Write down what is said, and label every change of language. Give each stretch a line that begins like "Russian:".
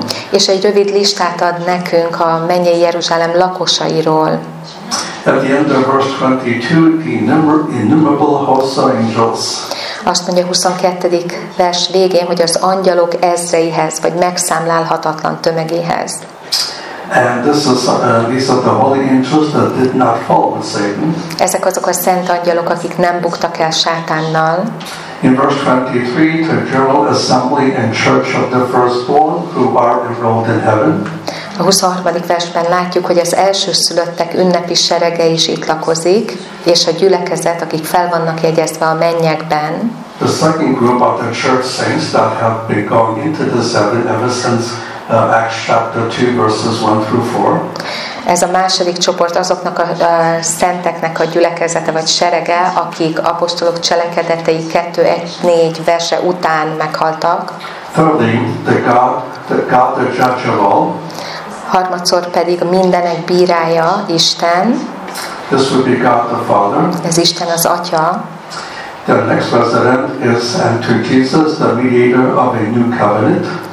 Hungarian: És egy rövid listát ad nekünk a mennyei Jeruzsálem lakosairól.
English: At the end of verse 22, the innumerable hosts of angels.
Hungarian: Azt mondja 22. vers végén, hogy az angyalok ezreihez, vagy megszámlálhatatlan tömegéhez.
English: And this is these are the holy angels that did not fall with Satan.
Hungarian: Ezek azok a szent angyalok, akik nem buktak el Sátánnal.
English: In verse 23, the general assembly and church of the firstborn who are enrolled in heaven.
Hungarian: A 23. versben látjuk, hogy az elsőszülöttek ünnepi serege is itt lakozik, és a gyülekezet, akik fel vannak jegyezve a mennyekben.
English: The second group of the church saints that have been going into the heaven ever since. Acts chapter 2 verses 1 through 4.
Hungarian: Ez a második csoport azoknak a szenteknek a gyülekezete vagy serege, akik apostolok cselekedetei 2:1-4 verse után meghaltak.
English: Thirdly, the God the judge of all.
Hungarian: Harmadszor pedig mindenek bírája Isten.
English: This would be God the Father.
Hungarian: Ez Isten az Atya.
English: The next president is and to Jesus the mediator of a new covenant.